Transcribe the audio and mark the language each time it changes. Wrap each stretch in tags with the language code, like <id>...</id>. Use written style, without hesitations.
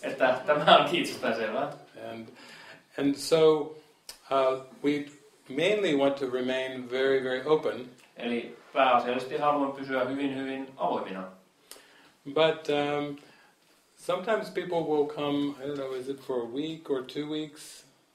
<fi>Että tämä on itsestään selvä.</fi> <en>And so we mainly want to remain very, very open.</en> <fi>Eli pääasiallisesti haluan pysyä hyvin, hyvin avoimina.</fi> <en>But sometimes people will come, I don't know, is it for a week or 2 weeks?</en>